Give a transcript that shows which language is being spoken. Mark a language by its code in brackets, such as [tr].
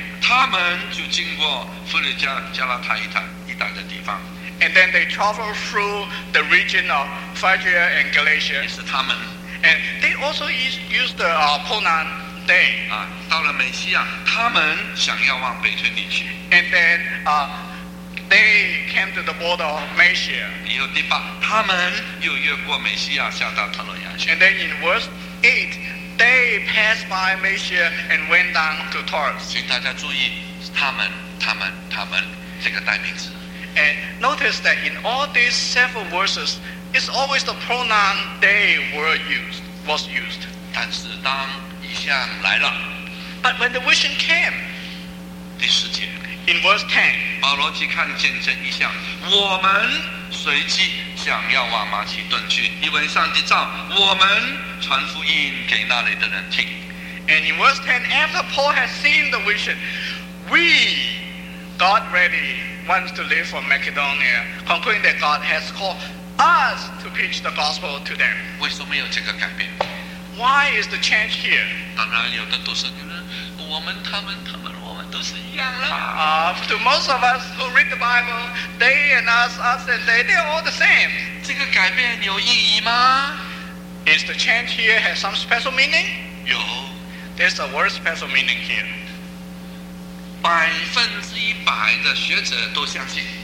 [zh] 他们就经过弗里加、加拉太一带的地方。 [en] And then they travel through the region of Phrygia and Galatia. [zh] 也是他们。 [en] And they also use the pronoun. They, [zh] 到了美西亚，他们想要往北推地区。 [en] And then, they came to the border of Mysia. [zh] 以后第八，他们又越过美西亚，下到特洛亚去。 [en] And then in verse 8, they passed by Mysia and went down to Taurus. [zh] 请大家注意，他们这个代名词。 [en] And notice that in all these several verses, it's always the pronoun they were used, was used. [zh] 但是当来了 [en] But when the vision came, [zh] 第十节 [en] in verse 10, [zh] 保罗既看见这异象，我们随即想要往马其顿去，因为上帝召我们传福音给那里的人听。 [en] And in verse 10, after Paul had seen the vision, we got ready once to leave for Macedonia, concluding that God has called us to preach the gospel to them. [zh] 为什么有这个改变？ [en] Why is the change here? [zh] 当然有的读圣经人，我们、他们、他们，我们都是一样了。 [en] To most of us who read the Bible, they and us, us and they, they are all the same. [zh] 这个改变有意义吗？ [en] Is the change here has some special meaning? [zh] 有。 [en] There's a very special meaning here. 100% of the [zh] 学者都相信。